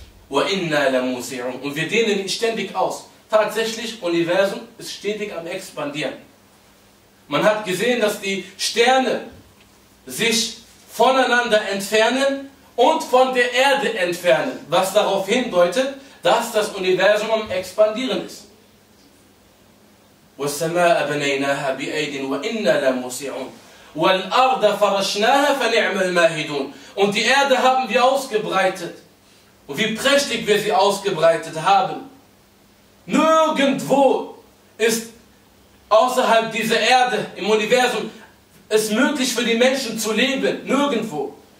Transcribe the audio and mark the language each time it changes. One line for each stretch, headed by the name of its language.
Arabic: وَإِنَّا لَمُوسِعُونَ,
German: und wir dehnen ihn ständig aus. Tatsächlich, Universum ist stetig am Expandieren. Man hat gesehen, dass die Sterne sich voneinander entfernen und von der Erde entfernen, was darauf hindeutet, dass das Universum am Expandieren ist.
Arabic: وَالسَّمَاءَ بَنَيْنَاهَا بِأَيْدٍ وَإِنَّا لَمُوسِعُونَ وَالْأَرْضَ فَرَشْنَاهَا فَنِعْمَ الْمَاهِدُونَ,
German: und die Erde haben wir ausgebreitet. Und wie prächtig wir sie ausgebreitet haben. Nirgendwo ist außerhalb dieser Erde, im Universum, es möglich für die Menschen zu leben. Nirgendwo.